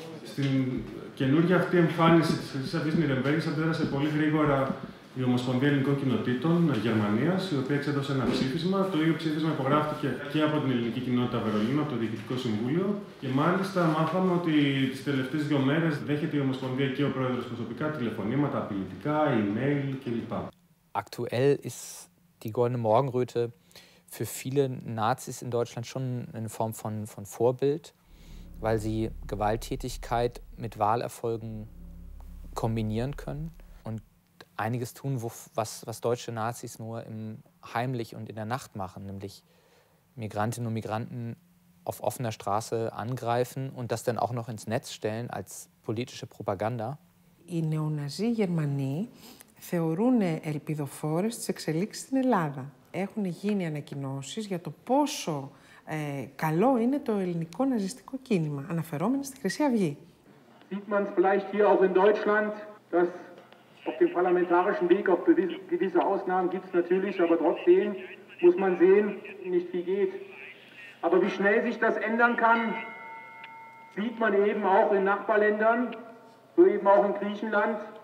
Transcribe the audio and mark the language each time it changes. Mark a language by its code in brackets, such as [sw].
[el] Στην καινούργια αυτή εμφάνιση της Χρυσής Αυγής Νιρεμβέργης αντέδρασε πολύ γρήγορα η Ομοσπονδία Ελληνικών Κοινοτήτων Γερμανίας, η οποία εξέδωσε ένα ψήφισμα. Το ίδιο ψήφισμα υπογράφτηκε και από την Ελληνική Κοινότητα Βερολίνου, από το Διοικητικό Συμβούλιο. Και μάλιστα μάθαμε ότι τις τελευταίες δύο μέρες δέχεται η Ομοσπονδία και ο Πρόεδρος προσωπικά τηλεφωνήματα, απειλητικά, email κλπ. [de] Aktuell ist die goldene Morgenröte für viele Nazis in Deutschland schon eine Form von Vorbild, weil sie Gewalttätigkeit mit Wahlerfolgen kombinieren können und einiges tun, was deutsche Nazis nur heimlich und in der Nacht machen, nämlich Migrantinnen und Migranten auf offener Straße angreifen und das dann auch noch ins Netz stellen als politische Propaganda. Die Neonazi-Germanie [el] θεωρούν ελπιδοφόρες τις εξελίξεις στην Ελλάδα. Έχουν γίνει ανακοινώσεις για το πόσο καλό είναι το ελληνικό ναζιστικό κίνημα, αναφερόμενο στη Χρυσή Αυγή. [de] Sieht man vielleicht hier auch in Deutschland, dass auf dem parlamentarischen Weg auf gewisse Ausnahmen gibt es natürlich, aber trotzdem muss man sehen, nicht wie geht. Aber wie schnell sich das ändern kann, sieht man eben auch in Nachbarländern, so eben auch in Griechenland.